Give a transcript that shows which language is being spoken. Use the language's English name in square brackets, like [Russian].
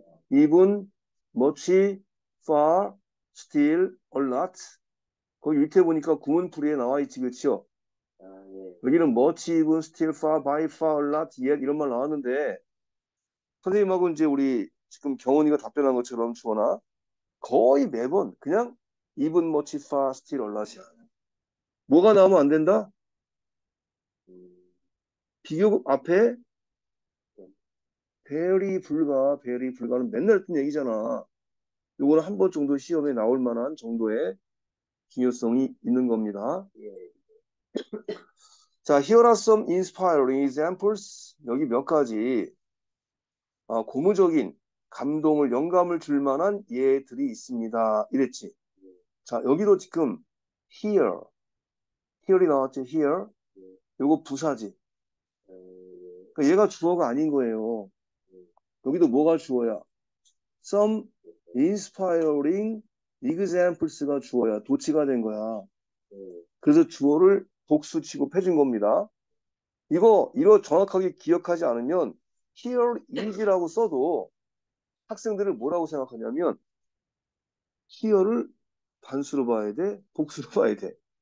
[English] Even much far still a lot. [Korean] 거기 밑에 보니까 구문풀이에 나와 있지, 그렇죠? 여기는 [English] much even still far by far a lot yet [Korean] 이런 말 나왔는데 선생님하고 이제 우리 지금 경원이가 답변한 것처럼 주거나 거의 매번 그냥 [English] even much far still a lot [Korean] 이야. 뭐가 나오면 안 된다? 비교급 앞에 very 불가, very 불가는 맨날 했던 얘기잖아. 요거는 한번 정도 시험에 나올 만한 정도의 중요성이 있는 겁니다. [English] 자, here are some inspiring examples. [Korean] 여기 몇 가지 고무적인 감동을 영감을 줄 만한 예들이 있습니다. 이랬지. 자, 여기도 지금 here이 나왔지. here. 요거 부사지. 얘가 주어가 아닌 거예요. 여기도 뭐가 주어야? [English] Some inspiring examples가 주어야. [Korean] 도치가 된 거야. 그래서 주어를 복수치고 패준 겁니다. 이거 정확하게 기억하지 않으면 here is라고 써도 학생들은 뭐라고 생각하냐면 here를 단수로 봐야 돼? 복수로 봐야 돼?